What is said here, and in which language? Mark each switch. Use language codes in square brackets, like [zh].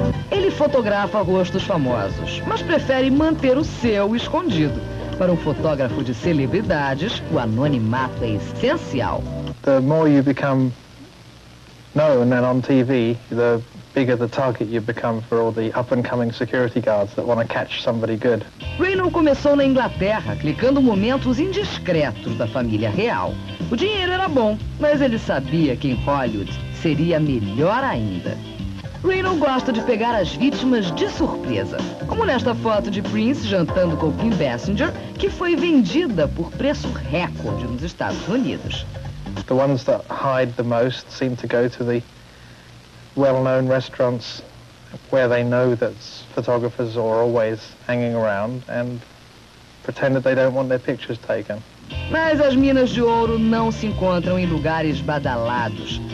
[pt] Ele fotografa rostos famosos, mas prefere manter o seu escondido. Para um fotógrafo de celebridades, o anonimato é essencial. [en] The more you become known and on TV, the bigger the target you become for all the up-and-coming security guards that want to catch somebody good. [pt] Reino começou na Inglaterra, clicando momentos indiscretos da família real. O dinheiro era bom, mas ele sabia que em Hollywood seria melhor ainda. Reino gosta de pegar as vítimas de surpresa, como nesta foto de Prince jantando com Kim Basinger, que foi vendida por preço recorde nos Estados Unidos. [en] The ones that hide the most seem to go to the well-known restaurants where they know that photographers are always hanging around and pretend that they don't want their pictures taken. [pt] Mas as minas de ouro não se encontram em lugares badalados.